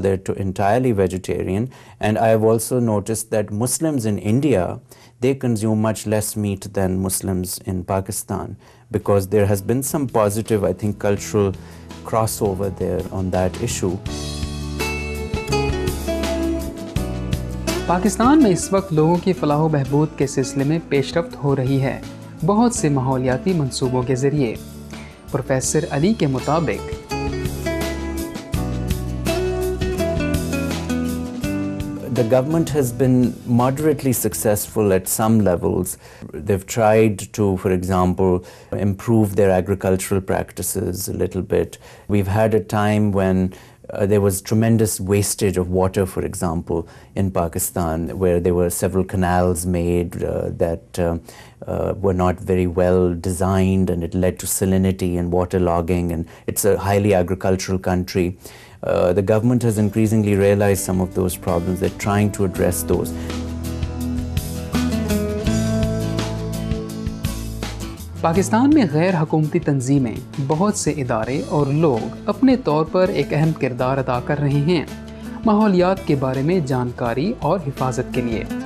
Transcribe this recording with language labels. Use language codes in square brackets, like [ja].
[en] They're entirely vegetarian. And I have also noticed that Muslims in India, they consume much less meat than Muslims in Pakistan, because there has been some positive, I think, cultural crossover there on that issue. [hi] Pakistan में इस वक्त लोगों की फलाह बहबूद के सिलसिले में पेशरफ्त हो रही है बहुत से माहौलियाती मंसूबों के ज़रिए। प्रोफेसर अली के मुताबिक [en] The government has been moderately successful at some levels. They've tried to, for example, improve their agricultural practices a little bit. We've had a time when there was tremendous wastage of water, for example, in Pakistan, where there were several canals made that were not very well designed, and it led to salinity and water logging, and it's a highly agricultural country. The government has increasingly realized some of those problems. They're trying to address those. [hi] Pakistan में गैर हकूमती तंजीमें बहुत से इदारे और लोग अपने तौर पर एक अहम किरदार अदा कर रहे हैं माहौलियात के बारे में जानकारी और हिफाजत के लिए।